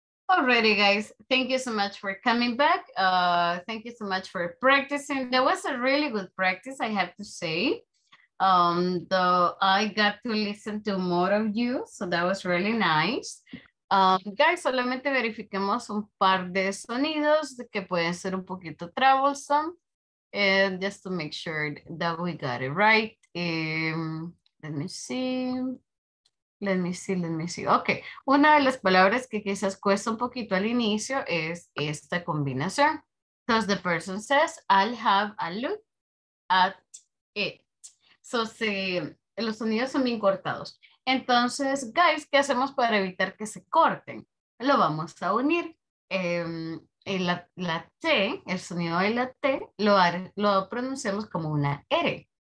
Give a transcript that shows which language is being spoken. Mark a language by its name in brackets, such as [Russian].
[English] Alrighty, guys. Thank you so much for coming back. Thank you so much for practicing. That was a really good practice, I have to say. Though I got to listen to more of you, so that was really nice. [Spanish] Guys, solamente verifiquemos un par de sonidos que pueden ser un poquito troublesome. [English] And just to make sure that we got it right. Let me see. [Spanish] Okay, una de las palabras que quizás cuesta un poquito al inicio es esta combinación. [English] Because the person says, I'll have a look at it. [Spanish] So, sí, los sonidos son bien cortados. Entonces, guys, ¿qué hacemos para evitar que se corten? Lo vamos a unir. La T, el sonido de la T, lo pronunciamos como una R.